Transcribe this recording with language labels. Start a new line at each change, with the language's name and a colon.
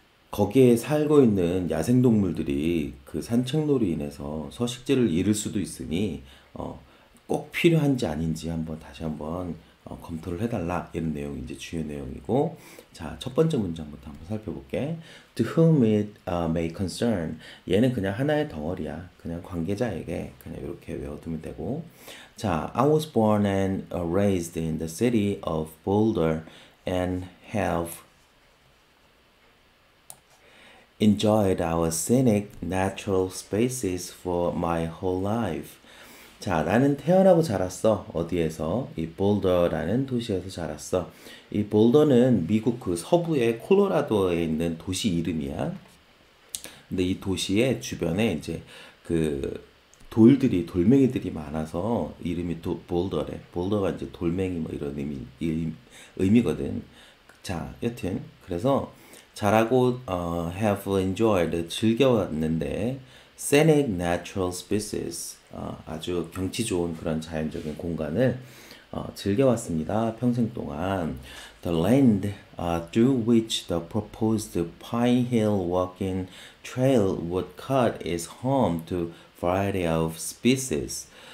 Korean: 거기에 살고 있는 야생동물들이 그 산책로로 인해서 서식지를 잃을 수도 있으니 꼭 필요한지 아닌지 한번 다시 한번 검토를 해달라. 이런 내용이 이제 주요 내용이고, 자, 첫 번째 문장부터 한번 살펴볼게.
English: To whom it may concern.
Korean: 얘는 그냥 하나의 덩어리야. 그냥 관계자에게 그냥 이렇게 외워두면 되고.
English: 자, I was born and raised in the city of Boulder and have enjoyed our scenic natural spaces for my whole life.
Korean: 자, 나는 태어나고 자랐어. 어디에서? 이 볼더라는 도시에서 자랐어. 이 볼더는 미국 그 서부의 콜로라도에 있는 도시 이름이야. 근데 이 도시의 주변에 이제 그 돌들이, 돌멩이들이 많아서 이름이 볼더래. 볼더가 이제 돌멩이 뭐 이런 의미거든. 자, 여튼. 그래서 자라고,
English: have enjoyed,
Korean: 즐겨왔는데,
English: scenic natural spaces.
Korean: 아주 경치 좋은 그런 자연적인 공간을 즐겨왔습니다. 평생 동안.
English: The land through which the proposed Pine Hill walking trail would cut is home to variety of species.